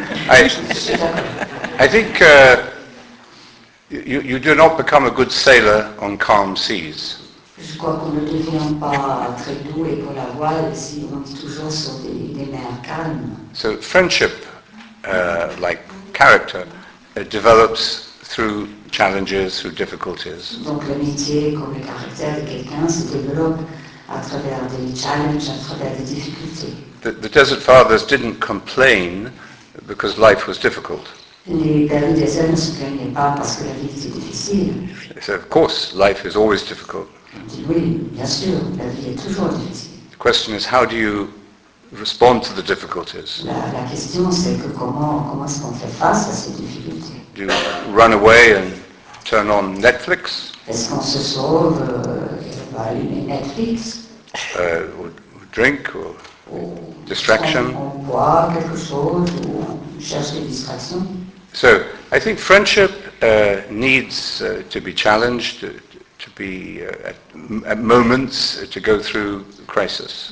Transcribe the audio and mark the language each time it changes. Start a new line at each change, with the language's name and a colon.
English: I think you do not become a good sailor on calm seas.
French: Je crois qu'on ne devient pas très doux et pour la voile si on est toujours sur des mers calmes.
English: So friendship. Like character, it develops through challenges, through difficulties.
French: Donc l'amitié comme le caractère de quelqu'un se développe à travers des challenges, à travers des difficultés.
English: The Desert Fathers didn't complain because life was difficult.
French: Les pères des déserts ne se plaignaient pas parce que la vie était difficile.
English: They said, of course, life is always difficult.
French: Oui, bien sûr, la vie est toujours difficile.
English: The question is, how do you respond to the difficulties?
French: La question c'est que comment est-ce qu'on fait face à ces difficultés?
English: Do you run away and turn on Netflix?
French: Est-ce qu'on se sauve et va allumer Netflix?
English: Or drink or distraction?
French: On boit quelque chose ou on cherche des distractions?
English: So, I think friendship needs to be challenged, to be at moments to go through crisis.